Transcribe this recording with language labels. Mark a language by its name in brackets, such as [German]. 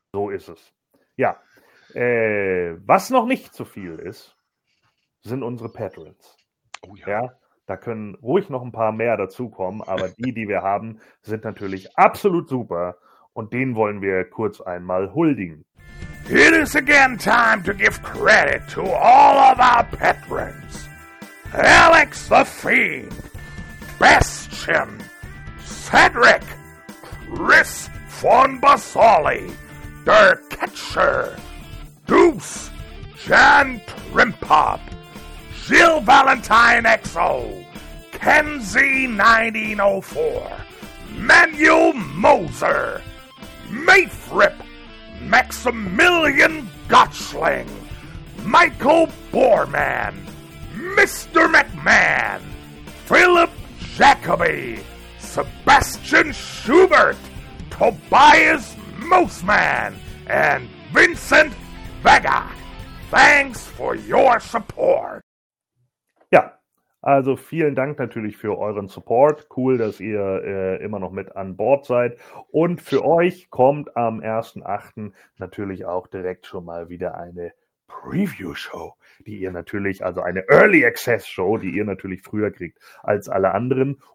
[German] So ist es. Ja. Was noch nicht zu viel ist, sind unsere Patrons. Oh ja. Ja. Da können ruhig noch ein paar mehr dazukommen. Aber die wir haben, sind natürlich absolut super. Und den wollen wir kurz einmal huldigen. [English] It is again time to give credit to all of our patrons. Alex the Fiend, Bastion, Cedric, Chris von Basali, Der Catcher, Deuce, Jan Trimpop, Jill Valentine XO, Kenzie 1904, Manuel Moser, Mayfrip, Maximilian Gotchling, Michael Boorman, Mr. McMahon, Philip Jacoby, Sebastian Schubert, Tobias Moseman, and Vincent Vega. Thanks for your support. [German] Ja, also vielen Dank natürlich für euren Support. Cool, dass ihr immer noch mit an Bord seid. Und für euch kommt am 1.8. natürlich auch direkt schon mal wieder eine Preview-Show, die ihr natürlich, also eine Early-Access-Show, die ihr natürlich früher kriegt als alle anderen.